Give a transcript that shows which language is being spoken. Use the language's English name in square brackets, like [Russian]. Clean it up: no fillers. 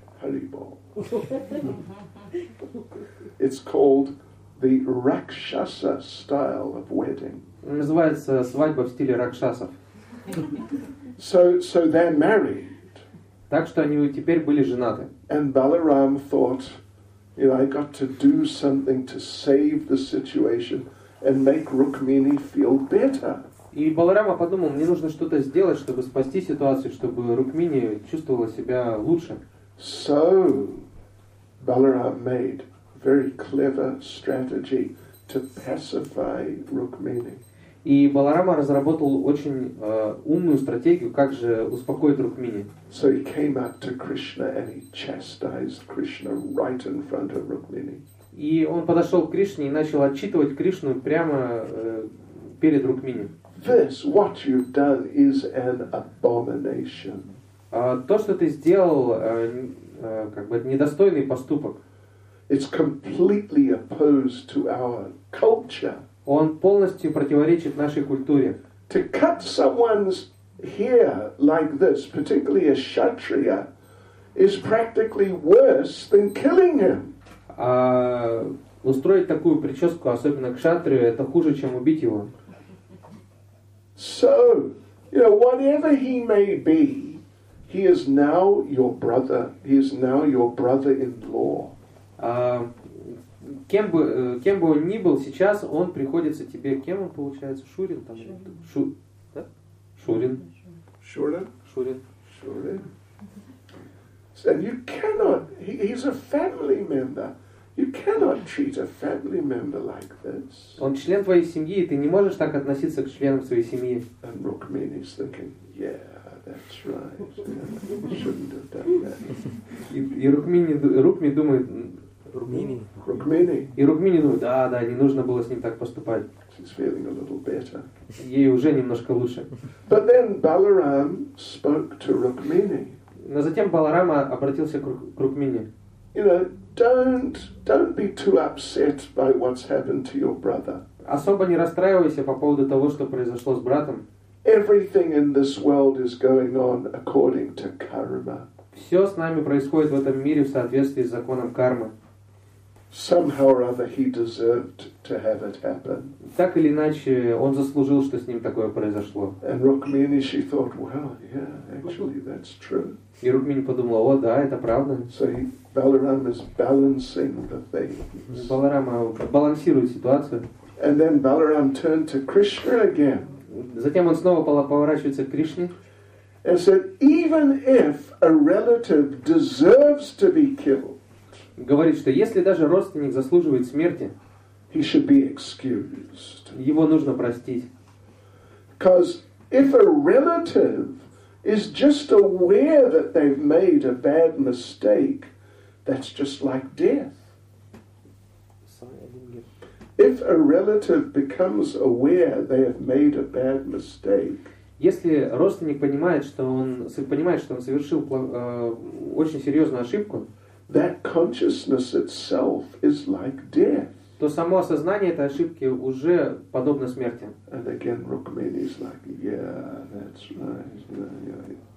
[Sanskrit] Haribol. [English] It's called the Rakshasa style of wedding. [Russian] Называется свадьба в стиле ракшасов. [English] So they're married. [Russian] Так что они теперь были женаты. [English] And Balaram thought, you know, I got to do something to save the situation. and make Rukmini feel better. [Russian] И Баларама подумал, мне нужно что-то сделать, чтобы спасти ситуацию, чтобы Рукмини чувствовала себя лучше. [English] So, Balaram made very clever strategy to pacify Rukmini. [Russian] И Баларама разработал очень умную стратегию, как же успокоить Рукмини. [English] So he came up to Krishna and he chastised Krishna right in front of Rukmini. [Russian] И он подошел к Кришне и начал отчитывать Кришну прямо перед Рукмини. [English] This, what you've done, is an abomination. [Russian] То, что ты сделал, как бы недостойный поступок. [English] It's completely opposed to our culture. [Russian] Он полностью противоречит нашей культуре. [English] To cut someone's hair like this, particularly a kshatriya, is practically worse than killing him. [Russian] А устроить такую прическу, особенно кшатрию, это хуже, чем убить его. [English] So, you know, whatever he may be, he is now your brother. He is now your brother-in-law. [Russian] Кем бы он ни был сейчас, он приходится тебе. Кем он получается? Шурин там? Шурин. Шурин. Шурин. Шурин. [English] And you cannot. He's a family member. You cannot treat a family member like this. [Russian] Он член твоей семьи, и ты не можешь так относиться к членам своей семьи. [English] And Rukmini's thinking, yeah, that's right. Yeah, shouldn't have done that. [Russian] И Рукмини думает, да, не нужно было с ним так поступать. [English] She's feeling a little better. [Russian] Ей уже немножко лучше. [English] But then Balaram spoke to Rukmini. [Russian] Но затем Баларама обратился к Рукмини. [English] You know, don't be too upset by what's happened to your brother. [Russian] Особо не расстраивайся по поводу того, что произошло с братом. [English] Everything in this world is going on according to karma. [Russian] Все с нами происходит в этом мире в соответствии с законом кармы. [English] Somehow or other, he deserved to have it happen. [Russian] Так или иначе, он заслужил, что с ним такое произошло. [English] And Rukmini, she thought, well, yeah, actually, that's true. [Russian] И Рукмини подумала, о, да, это правда. [English] So Balaram is balancing the things. [Russian] Баларама балансирует ситуацию. [English] And then Balaram turned to Krishna again. [Russian] Затем он снова поворачивается к Кришне. [English] And said, even if a relative deserves to be killed. [Russian] Говорит, что если даже родственник заслуживает смерти, [English] he should be excused. [Russian] Его нужно простить. [English] Because if a relative is just aware that they've made a bad mistake, that's just like death. If a relative becomes aware they have made a bad mistake, [Russian] если родственник понимает, что он совершил очень серьезную ошибку, [English] that consciousness itself is like death. [Russian] То само осознание этой ошибки уже подобно смерти. [English] And again, Rukmini is like, yeah, that's right.